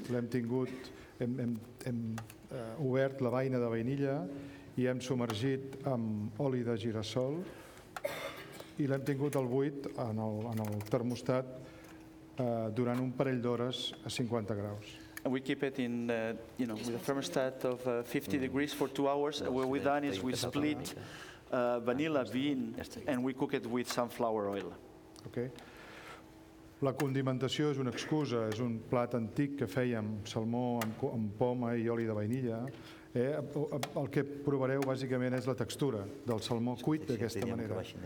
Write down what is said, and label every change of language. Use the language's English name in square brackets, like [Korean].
[Catalan] L'hem tingut, hem obert la vaina de vainilla i hem submergit amb oli de girassol. I l'hem tingut al buit en el termostat durant un parell d'hores a 50 graus. [English] And we keep it in, you know, with a thermostat of 50 degrees for 2 hours. And what we've done is we split vanilla bean and we cook it with sunflower oil. Okay. [Catalan] La condimentació és una excusa, és un plat antic que fèiem, salmó amb poma i oli de vainilla. El que provareu bàsicament és la textura del salmó cuit d'aquesta manera.